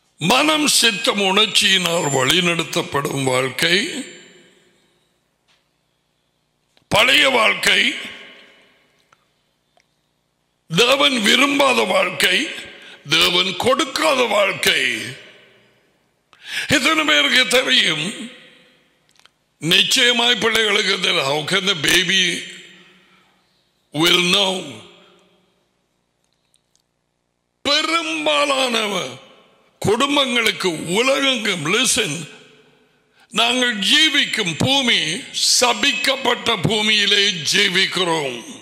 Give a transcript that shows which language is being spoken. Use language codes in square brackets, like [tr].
[ta] மனம் சித்தம் உணர்ச்சியினால் வழிநடத்தப்படும் வாழ்க்கை, பழைய வாழ்க்கை, தேவன் விரும்பாத வாழ்க்கை, தேவன் கொடுக்காத வாழ்க்கை, இத்தனை பேருக்கு தெரியும். நிச்சயமாய் பிள்ளைகளுக்கு தெரியும். [en] How can the baby will know? [ta] பெரும்பாலான குடும்பங்களுக்கு உலகெங்கும் லிசன், நாங்கள் ஜீவிக்கும் பூமி சபிக்கப்பட்ட பூமியிலே ஜீவிக்கிறோம்.